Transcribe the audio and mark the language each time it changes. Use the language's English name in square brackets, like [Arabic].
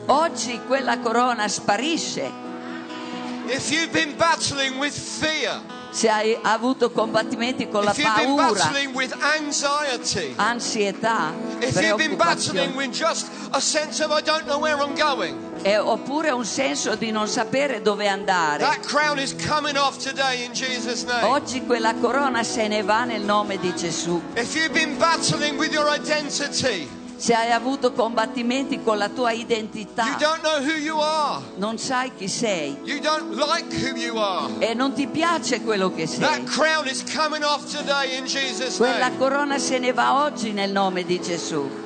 [Italian] Oggi quella corona sparisce. [English] If you've been battling with fear, [Italian] se hai avuto combattimenti con la paura, [English] if you've been battling with anxiety, [Italian] ansietà, [English] if you've been battling with just a sense of I don't know where I'm going, [Italian] oppure un senso di non sapere dove andare, [English] that crown is coming off today in Jesus' name. [Italian] Oggi quella corona se ne va nel nome di Gesù. [English] If you've been battling with your identity, [Italian] se hai avuto combattimenti con la tua identità, [English] you don't know who you are, [Italian] non sai chi sei, [English] you don't like who you are, [Italian] e non ti piace quello che sei, [English] that crown is coming off today in Jesus' name. [Italian] Quella corona se ne va oggi nel nome di Gesù.